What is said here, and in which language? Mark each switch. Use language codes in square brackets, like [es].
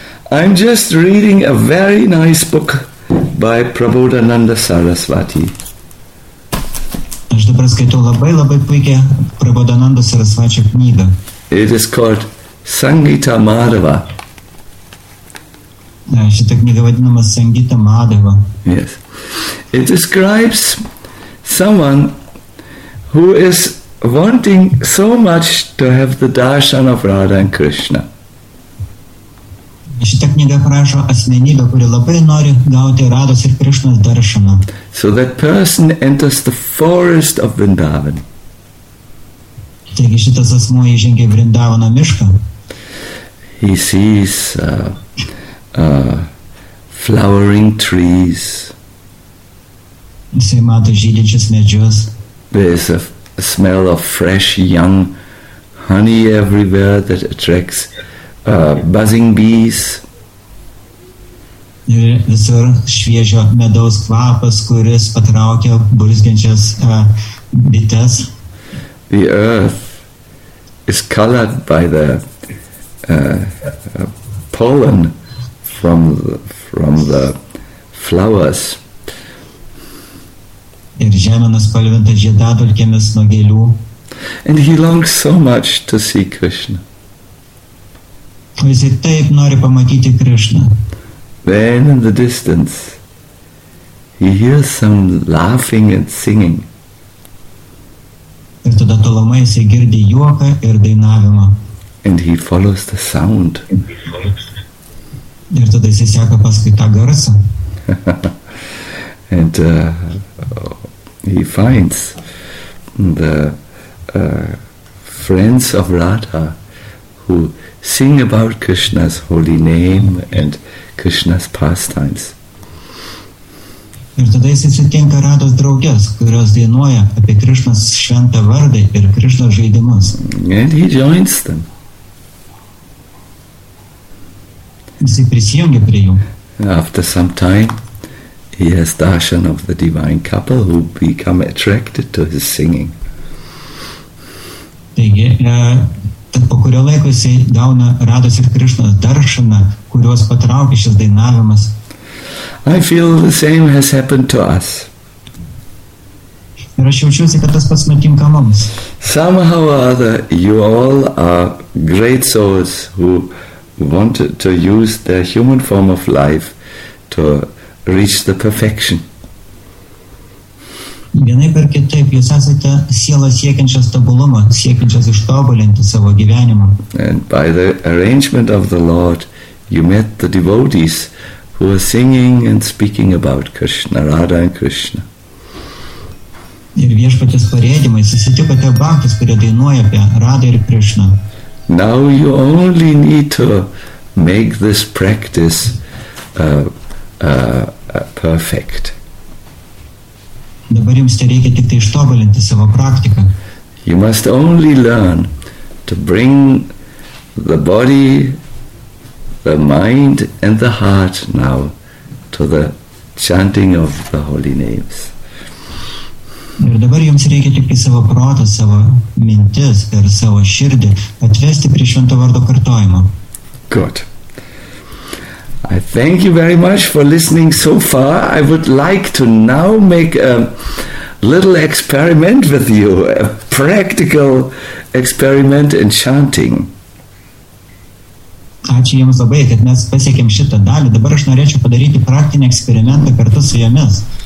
[en] I'm just reading a very nice book by Prabodhananda Sarasvati. [lt] Aš dabar skaitau labai labai puikią Prabodhananda Sarasvačio knygą. [en] It is called Sangita Madhava. [lt] Šita knyga vadinama Sangita Madhava. [en] Yes. It describes someone who is wanting so much to have the darshan of Radha and Krishna. [lt] Šita knyga prašo asmenybę, kuri labai nori gauti Radhos ir Krishnos darshaną. [en] So that person enters the forest of Vrindavan. [lt] Taigi šitas asmuo įžengia Vrindavano mišką. [en] He sees flowering trees. [lt] Jisai mato žydinčius medžius. [en] There's a smell of fresh young honey everywhere that attracts buzzing bees. [lt] Ir visur šviežio medaus kvapas, kuris patraukia burzgiančias bites. [en] The earth is colored by the pollen from the flowers. [lt] Ir žemė nuspalvinta žiedadulkėmis nuo gėlių. [en] And he longs so much to see Krishna. [lt] O jis taip nori pamatyti Krishna. [en] Then in the distance, he hears some laughing and singing. [lt] Ir tada tolumai jis girdi juoką ir dainavimą. [en] And he follows the sound. [lt] Ir tada jis seka paskui tą garsą. [en] And he finds the friends of Radha who sing about Krishna's holy name and Krishna's pastimes. [lt] Ir tada jis atsitinka Radhos draugės, kurios dainuoja apie Krishnos šventą vardą ir Krishnos žaidimus. [en] And he joins them. [lt] Jis prisijungia prie jų. [en] After some time, he has darshan of the divine couple who become attracted to his singing. [lt] Taigi, po kurio laiko jis gauna Radhos ir Krishnos darshaną, kuriuos patraukia šis dainavimas. [en] I feel the same has happened to us. [lt] Ir aš jaučiuosi, kad tas pats nutinka mums. [en] Somehow or other, you all are great souls who want to use their human form of life to reach the perfection. [lt] Vienaip ar kitaip, jūs esate sielą siekiančias tobulumą, siekiančias ištobulinti savo gyvenimą. [en] And by the arrangement of the Lord, you met the devotees who are singing and speaking about Krishna, Radha and Krishna. [lt] Ir viešpatės parėdimai susitikote bhaktus, kurie dainuoja apie Radha ir Krishna. [en] Now you only need to make this practice perfect. [lt] Dabar jums tereikia tik tai ištobulinti savo praktiką. [en] You must only learn to bring the body, the mind and the heart now to the chanting of the holy names. [lt] Ir dabar jums reikia tik į savo protą, savo mintis ir savo širdį atvesti prie švento vardo kartojimo. [en] Good. I thank you very much for listening so far. I would like to now make a little experiment with you, a practical experiment in chanting. [lt] Ačiū jums labai, kad mes pasiekėm šitą dalį. Dabar aš norėčiau padaryti praktinį eksperimentą kartu su jumis.